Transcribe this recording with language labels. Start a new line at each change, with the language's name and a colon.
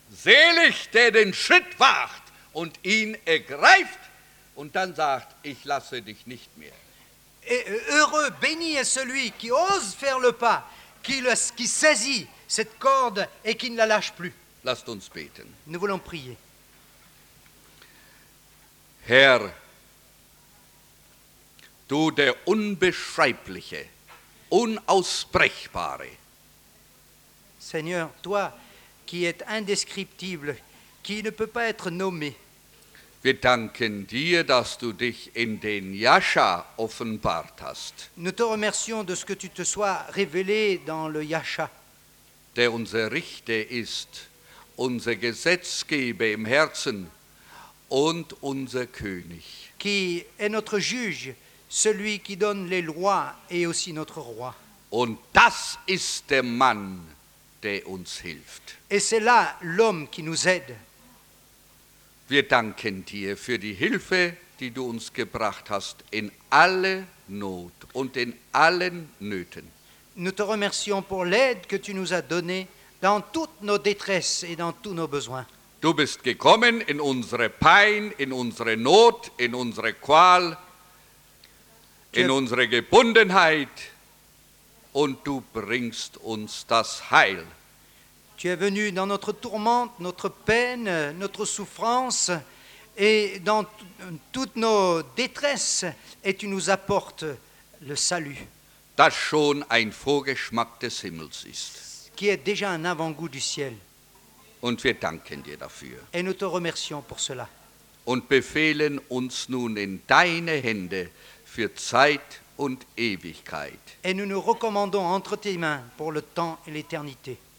German: Selig, der den Schritt wagt und ihn ergreift und dann sagt, ich lasse dich nicht mehr.
French: Et heureux, béni est celui qui ose faire le pas, qui saisit cette corde et qui ne la lâche plus.
German: Lasst uns beten.
French: Nous voulons prier.
German: Herr, du der Unbeschreibliche, Unaussprechbare,
French: Seigneur, toi qui es indescriptible, qui ne peut pas être nommé.
German: Wir danken dir, dass du dich in den Yasha offenbart hast.
French: Nous te remercions de ce que tu te sois révélé dans le Yasha.
German: Der unser Richter ist, unser Gesetzgeber im Herzen und unser König.
French: Qui est notre juge, celui qui donne les lois et aussi notre roi.
German: Und das ist der Mann, der uns hilft.
French: Et c'est là l'homme qui nous aide.
German: Wir danken dir für die Hilfe, die du uns gebracht hast in alle Not und in allen Nöten.
French: Nous te remercions pour l'aide que tu nous as donnée dans toutes nos détresses et dans tous nos besoins.
German: Du bist gekommen in unsere Pein, in unsere Not, in unsere Qual, in unsere Gebundenheit und du bringst uns das Heil.
French: Tu es venu dans notre tourmente, notre peine, notre souffrance et dans toutes nos détresses et tu nous apportes le salut.
German: Das schon ein Vorgeschmack des Himmels ist.
French: Qui est déjà un avant-goût du ciel.
German: Und wir danken dir dafür.
French: Et nous te remercions pour cela.
German: Und befehlen uns nun in deine Hände für Zeit und Ewigkeit.
French: Et nous nous recommandons entre tes mains pour le temps et l'éternité.